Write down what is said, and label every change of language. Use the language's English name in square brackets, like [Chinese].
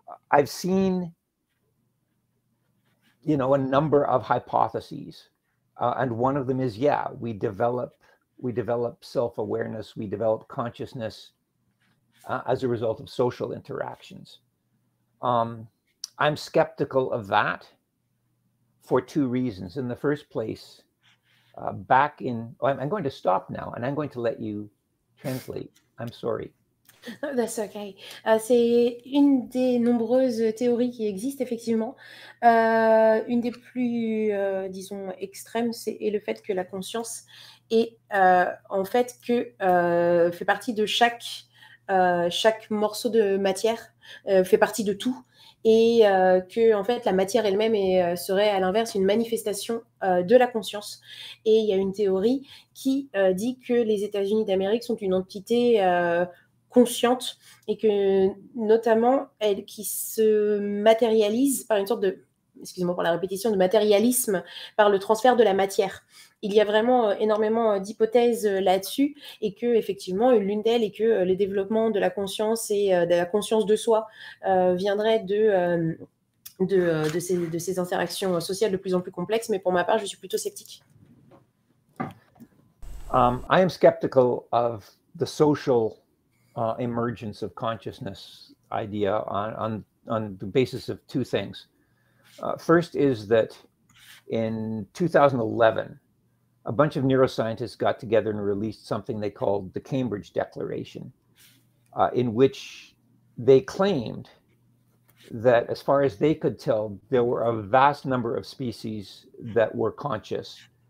[English] I've seen, you know, a number of hypotheses, and one of them is, yeah, we develop self-awareness, we develop consciousness as a result of social interactions. I'm skeptical of that for two reasons. In the first place, I'm going to stop now and I'm going to let you translate. I'm sorry. No, that's okay. [French] C'est une des nombreuses théories qui existent, effectivement. Une des plus, disons, extrêmes, c'est le fait que la conscience est, en fait, fait partie de chaque chaque morceau de matière fait partie de tout, et que en fait la matière elle-même serait à l'inverse une manifestation de la conscience. Et il y a une théorie qui dit que les États-Unis d'Amérique sont une entité consciente, et que notamment elle qui se matérialise par une sorte de, excusez-moi pour la répétition, de matérialisme par le transfert de la matière. Il y a vraiment énormément d'hypothèses là-dessus, et que effectivement l'une d'elles est que le développement de la conscience et de la conscience de soi viendrait de ces interactions sociales de plus en plus complexes. Mais pour ma part, je suis plutôt sceptique. [English] I am skeptical of the social emergence of consciousness idea on the basis of two things. First is that in 2011, a bunch of neuroscientists got together and released something they called the Cambridge Declaration, in which they claimed that, as far as they could tell, there were a vast number of species that were conscious.